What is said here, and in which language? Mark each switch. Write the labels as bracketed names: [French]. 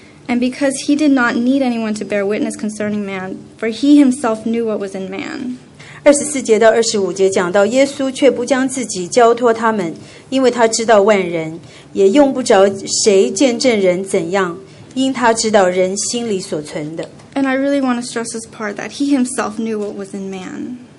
[English] And because he did not need anyone to bear witness concerning man, for he himself knew what was in man. [Chinese] 24节到25节讲到耶稣却不将自己交托他们，因为他知道万人，也用不着谁见证人怎样，因他知道人心里所存的。 [English] And I really want to stress this part that he himself knew what was in man.